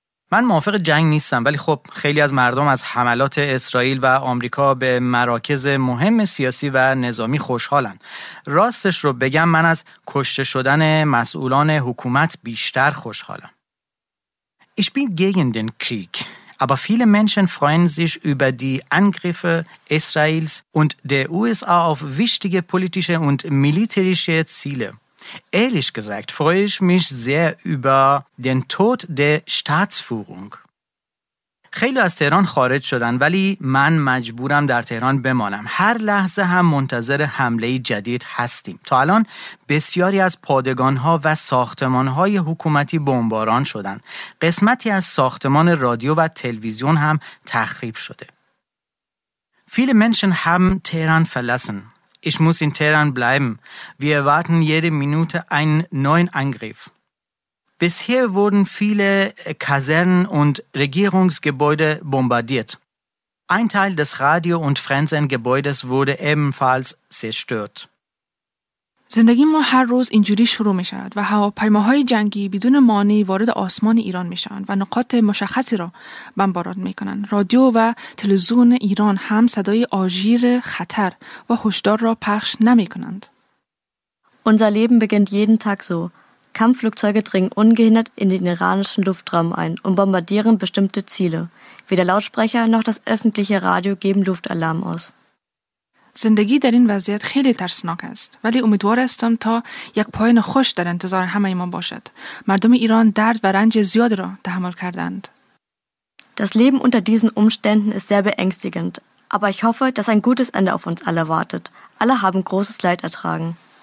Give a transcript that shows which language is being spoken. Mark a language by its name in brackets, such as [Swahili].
[Persian] من موافق جنگ نیستم ولی خب خیلی از مردم از حملات اسرائیل و آمریکا به مراکز مهم سیاسی و نظامی خوشحالن. راستش رو بگم من از کشته شدن مسئولان حکومت بیشتر خوشحالم. [German] Ich bin gegen den Krieg, aber viele Menschen freuen sich über die Angriffe Israels und der USA auf wichtige politische und militärische Ziele. Ehrlich gesagt freue ich mich sehr über den Tod der Staatsführung. [Persian] خیلی از تهران خارج شدن ولی من مجبورم در تهران بمانم. هر لحظه هم منتظر حمله جدید هستیم. تا الان بسیاری از پادگان‌ها و ساختمان‌های حکومتی بمباران شدند. قسمتی از ساختمان رادیو و تلویزیون هم تخریب شده. [German] Viele Menschen haben Teheran verlassen. Ich muss in Teheran bleiben. Wir erwarten jede Minute einen neuen Angriff. Bisher wurden viele Kasernen und Regierungsgebäude bombardiert. Ein Teil des Radio- und Fernsehgebäudes wurde ebenfalls zerstört. [Persian] زندگی ما هر روز اینجوری شروع می شود و هواپیماهای جنگی بدون مانعی وارد آسمان ایران می شوند و نقاط مشخصی را بمباران می کنند. رادیو و تلویزیون ایران هم صدای آژیر خطر و هشدار را پخش نمی کنند. [German] Unser Leben beginnt jeden Tag so. Kampfflugzeuge dringen ungehindert in den iranischen Luftraum ein und bombardieren bestimmte Ziele. Weder Lautsprecher noch das öffentliche Radio geben Luftalarm aus. [Persian] زندگی در این وضعیت خیلی ترسناک است ولی امیدوار هستم تا یک پایان خوش در انتظار همه ما باشد. مردم ایران درد و رنج زیاد را تحمل کردند. [German] Das Leben unter diesen Umständen ist sehr beängstigend, aber ich hoffe, dass ein gutes Ende auf uns alle wartet. Alle haben großes Leid ertragen.